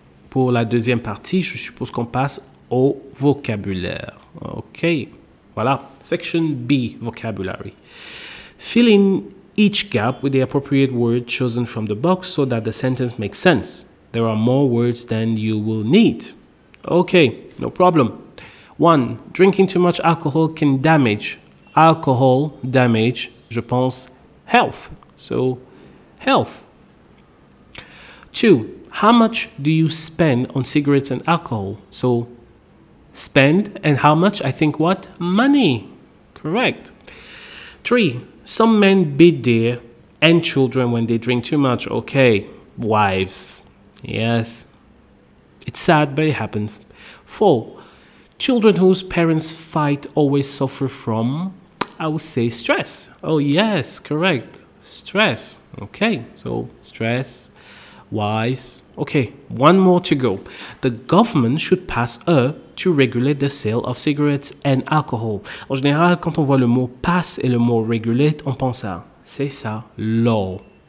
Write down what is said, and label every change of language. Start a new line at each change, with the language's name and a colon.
French: Pour la deuxième partie, je suppose qu'on passe au vocabulaire.
English: Ok, voilà. Section B, vocabulary. Fill in each gap with the appropriate word chosen from the box so that the sentence makes sense. There are more words than you will need. Okay, no problem. One, drinking too much alcohol can damage. Alcohol damage,
French: je pense,
English: health. So, health. Two, how much do you spend on cigarettes and alcohol? So, spend and how much? I think what? Money. Correct. Three, some men beat their and children when they drink too much. Okay, wives. Yes, it's sad, but it happens. Four, children whose parents fight always suffer from, I would say, stress. Oh, yes, correct. Stress. Okay, so stress, wives. Okay, one more to go. The government should pass a to regulate the sale of cigarettes and alcohol.
French: En général, quand on voit le mot pass et le mot regulate, on pense à, c'est ça, law.